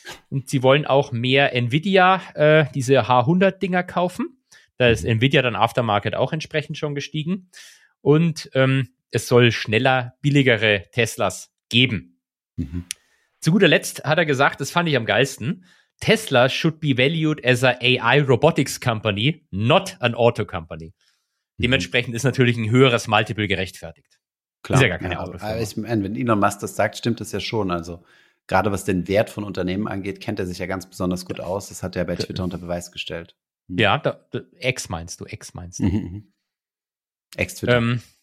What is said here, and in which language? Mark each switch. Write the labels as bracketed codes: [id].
[de] Und sie wollen auch mehr Nvidia, diese H100-Dinger kaufen. Da ist Nvidia dann Aftermarket auch entsprechend schon gestiegen. Und es soll schneller, billigere Teslas geben. Zu guter Letzt hat er gesagt, das fand ich am geilsten. [en] Tesla should be valued as a AI robotics company, not an auto company. [de] Dementsprechend ist natürlich ein höheres Multiple gerechtfertigt. Klar. Ist ja gar keine Autofirma. Ich meine, wenn Elon Musk das sagt, stimmt das ja schon. Also gerade was den Wert von Unternehmen angeht, kennt er sich ja ganz besonders gut aus. Das hat er bei Twitter unter Beweis gestellt. Ja, X meinst du. Ex-Twitter.